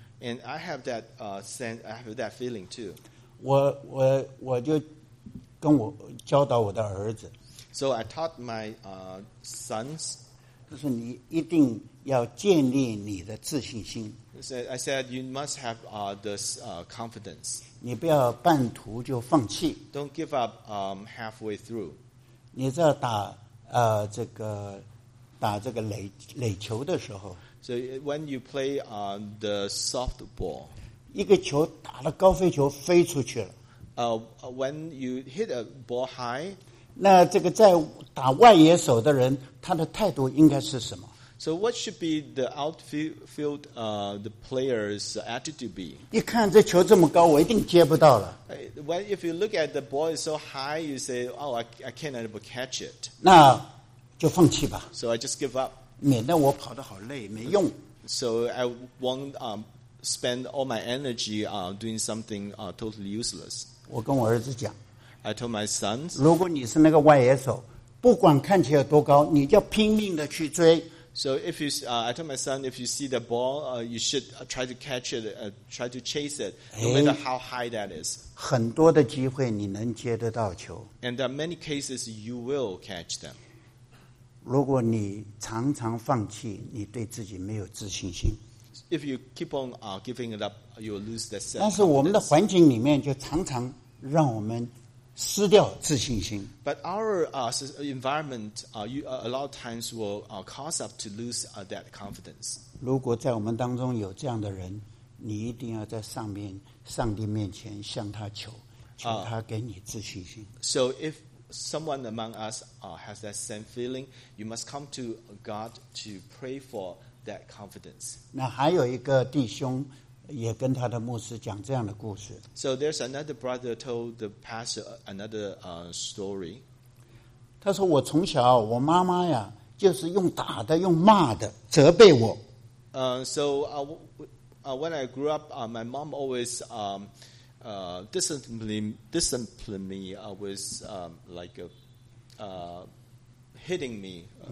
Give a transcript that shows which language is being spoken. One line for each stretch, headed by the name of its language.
English: And I have that sense, I have that feeling too.
Chinese: 我就跟我教导我的儿子。
English: So I taught my sons.
Chinese: 就是你一定要建立你的自信心。
English: I said you must have this confidence.
Chinese: 你不要半途就放弃。
English: Don't give up halfway through.
Chinese: 你只要打。这个打这个垒球的时候
English: ，So when you play on the softball，
Chinese: 一个球打了高飞球飞出去了。
English: When you hit a ball high，
Chinese: 那这个在打外野手的人，他的态度应该是什么
English: ？So what should be the outfield the player's attitude be？
Chinese: 一看这球这么高，我一定接不到了。
English: When if you look at the ball is so high, you say, "Oh, I can't ever catch it."
Chinese: 那就放弃吧。
English: So I just give up.
Chinese: 免得我跑得好累，没用。
English: So I won't spend all my energy doing something totally useless.
Chinese: 我跟我儿子讲。
English: I told my sons.
Chinese: 如果你是那个外野手，不管看起来多高，你就拼命的去追。
English: So if you, I told my son, if you see the ball, you should try to catch it, try to chase it, no matter how high that is.
Chinese: 很多的机会你能接得到球。
English: And there are many cases you will catch them.
Chinese: 如果你常常放弃，你对自己没有自信心。
English: If you keep on giving it up, you will lose that sense.
Chinese: 但是我们的环境里面就常常让我们失掉自信心。
English: But our environment, a lot of times will cause us to lose that confidence.
Chinese: 如果在我们当中有这样的人，你一定要在上面上帝面前向他求，求他给你自信心。
English: So if someone among us has that same feeling, you must come to God to pray for that confidence.
Chinese: 那还有一个弟兄。也跟他的牧师讲这样的故事。
English: So there's another brother told the pastor another story.
Chinese: 他说我从小我妈妈呀就是用打的用骂的责备我。
English: So when I grew up, my mom always disciplined me with like hitting me.